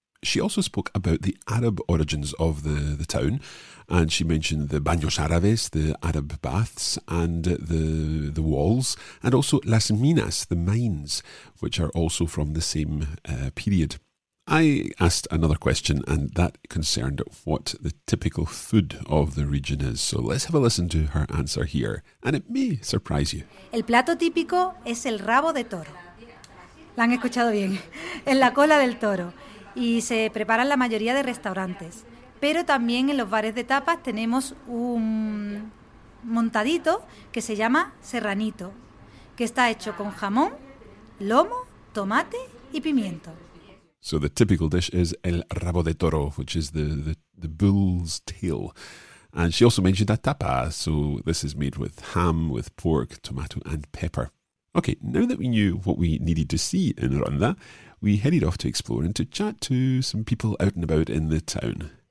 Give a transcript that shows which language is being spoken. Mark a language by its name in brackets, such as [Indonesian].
[English] She also spoke about the Arab origins of the town, and she mentioned the baños árabes, the Arab baths, and the walls, and also las minas, the mines, which are also from the same period. I asked another question, and that concerned what the typical food of the region is. So let's have a listen to her answer here, and it may surprise you. [Spanish] El plato típico es el rabo de toro. La han escuchado bien. En la cola del toro. Y se prepara en la mayoría de restaurantes. Pero también en los bares de tapas tenemos un montadito que se llama serranito, que está hecho con jamón, lomo, tomate y pimiento. [English] So the typical dish is el rabo de toro, which is the bull's tail. And she also mentioned a tapa, so this is made with ham, with pork, tomato and pepper. Okay, now that we knew what we needed to see in Ronda, we headed off to explore and to chat to some people out and about in the town.